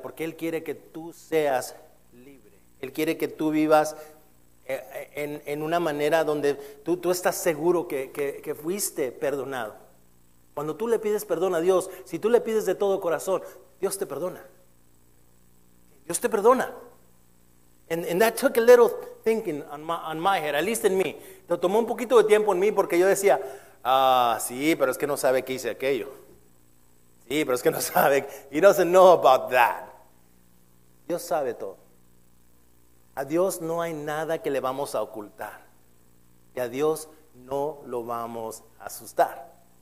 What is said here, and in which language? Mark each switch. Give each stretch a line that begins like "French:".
Spanish: Porque Él quiere que tú seas libre. Él quiere que tú vivas en una manera donde tú estás seguro que fuiste perdonado. Cuando tú le pides perdón a Dios, si tú le pides de todo corazón, Dios te perdona. Dios te perdona.
English: And that took a little thinking on my head, at least in me.
Spanish: Te tomó un poquito de tiempo en mí porque yo decía, ah, sí, pero es que no sabe que hice aquello. Sí, pero es que no sabe.
English: He doesn't know about that.
Spanish: Dios sabe todo. A Dios no hay nada que le vamos a ocultar. Y a Dios no lo vamos a asustar.